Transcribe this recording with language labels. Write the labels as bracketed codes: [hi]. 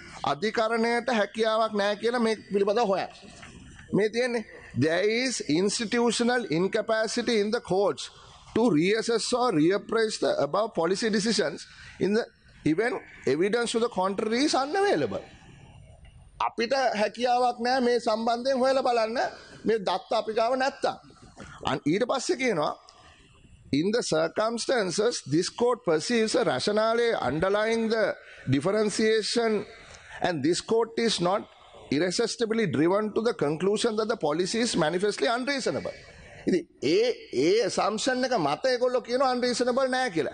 [si] අධිකරණයට හැකියාවක් නැහැ කියලා මේ පිළිබඳව හොයන මේ තියෙන්නේ. [en] There is institutional incapacity in the courts to reassess or reappraise the above policy decisions in the even evidence to the contrary is unavailable. [si] අපිට හැකියාවක් නැහැ මේ සම්බන්ධයෙන් හොයලා බලන්න. මේ දත්ත අපි ගාව නැත්තම්. ඊට පස්සේ කියනවා [en] in the circumstances this court perceives a rationale underlying the differentiation and this court is not irresistibly driven to the conclusion that the policy is manifestly unreasonable. [si] ඉතින් ඒ assumption එක මත ඒගොල්ලෝ කියන unreasonable නෑ කියලා.